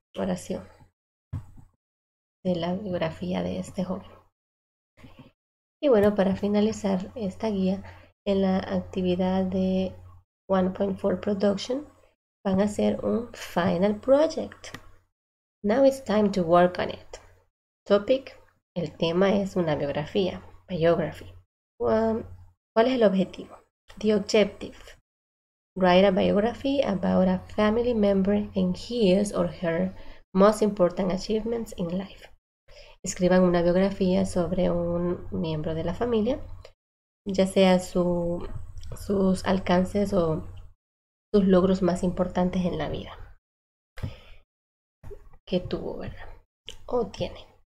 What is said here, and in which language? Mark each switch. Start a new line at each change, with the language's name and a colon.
Spanish: Oración de la biografía de este joven. Y bueno, para finalizar esta guía, en la actividad de 1.4 Production, van a hacer un
English: final project. Now it's time to work on it.
Spanish: Topic, el tema es una biografía, biography. ¿Cuál es el objetivo?
English: The objective. Write a biography about a family member and his or her most important achievements in life.
Spanish: Escriban una biografía sobre un miembro de la familia, ya sea sus alcances o sus logros más importantes en la vida que tuvo, ¿verdad? O tiene.